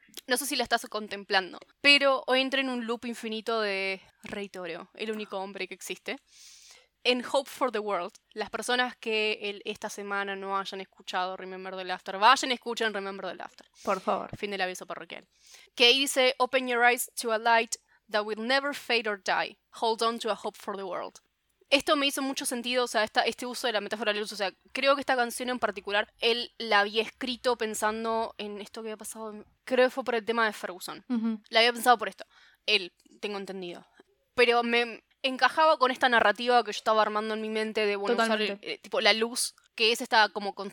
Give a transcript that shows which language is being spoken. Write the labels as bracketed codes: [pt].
[es] No sé si la estás contemplando, pero hoy entré en un loop infinito de Rey Toro, el único hombre que existe. En Hope for the World, las personas que esta semana no hayan escuchado Remember the Laughter, vayan y escuchen Remember the Laughter. Por favor. Fin del aviso parroquial. Que dice, [en] "Open your eyes to a light that will never fade or die. Hold on to a hope for the world." [es] Esto me hizo mucho sentido, o sea, este uso de la metáfora de la luz. O sea, creo que esta canción en particular, él la había escrito pensando en esto que había pasado. Creo que fue por el tema de Ferguson. Uh-huh. La había pensado por esto. Él, tengo entendido. Pero me encajaba con esta narrativa que yo estaba armando en mi mente de, bueno, usar, tipo, la luz, que es esta como...